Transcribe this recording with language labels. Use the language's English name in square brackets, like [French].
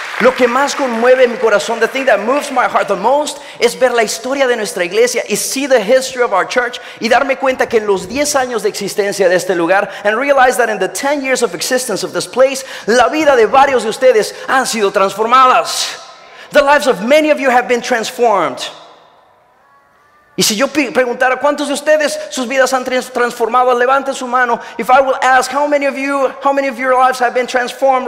[Spanish] Lo que más conmueve mi corazón, [English] the thing that moves my heart the most, [Spanish] es ver la historia de nuestra iglesia y [English] see the history of our church [Spanish] y darme cuenta que en los 10 años de existencia de este lugar, [English] and realize that in the 10 years of existence of this place, [Spanish] la vida de varios de ustedes han sido transformadas. [English] The lives of many of you have been transformed. [Spanish] Y si yo preguntara, ¿cuántos de ustedes sus vidas han transformado? Levanten su mano. [English] If I will ask, how many of your lives have been transformed?